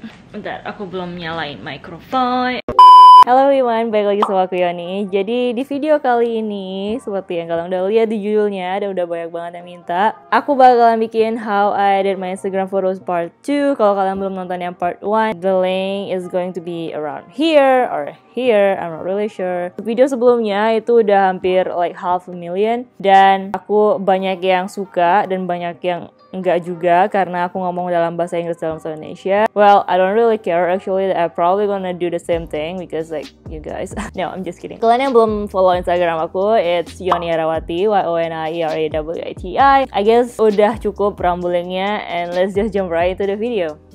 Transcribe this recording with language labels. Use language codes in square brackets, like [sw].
[id] Bentar, aku belum nyalain mikrofon. Halo everyone, balik lagi sama aku Yoni. Jadi di video kali ini, seperti yang kalian udah lihat di judulnya dan udah banyak banget yang minta, aku bakalan bikin How I Edit My Instagram Photos Part 2. Kalau kalian belum nonton yang Part 1, [en] the link is going to be around here or here, I'm not really sure. [id] Video sebelumnya itu udah hampir like 500,000. Dan aku banyak yang suka dan banyak yang enggak juga, karena aku ngomong dalam bahasa Inggris dalam bahasa Indonesia. [en] Well, I don't really care actually, I probably gonna do the same thing because like you guys. No, I'm just kidding. [id] Kalian yang belum follow Instagram aku, it's Yoni Arawati, YoniArawiti. [en] I guess [id] udah cukup rambling-nya [en] and let's just jump right into the video.